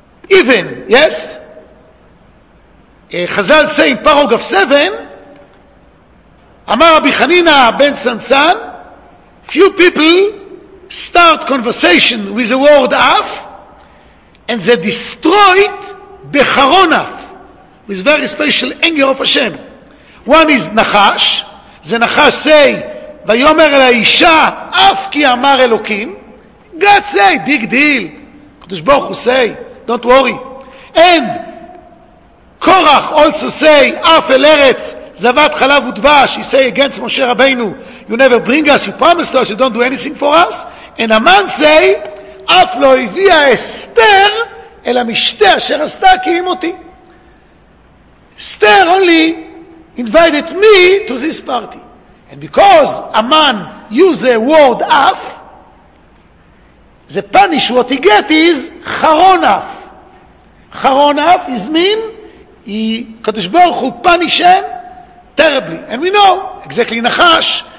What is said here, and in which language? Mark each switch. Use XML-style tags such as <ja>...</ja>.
<en>Even, yes? חזל say in פרוג of 7,</en> <he>אמר רבי חנינה בן סנסן,</he> <en>few people start conversation with the word אף, and they destroy it</en> <he>בחרון אף,</he> <en>with very special anger of Hashem. One is נחש, זה נחש say,</en> <he>ויאמר אל האישה, אף כי אמר אלוקים,</he> <en>God say, big deal, קדוש ברוך הוא say, don't worry. And Korach also say,</en> <he>אף אל ארץ, זבת חלב ודבש,</he> <en>he say against Moshe Rabbeinu, you never bring us, you promise to us, you don't do anything for us. And Aman say,</en> <he>אף לא הביאה אסתר אל המשתה אשר עשתה כי עם אותי.</he> <en>Esther only invited me to this party. And because Aman use the word אף, the punish what he get is חרון אף. חרון אף is mean קדוש ברוך הוא punish him terribly. And we know exactly נחש</en>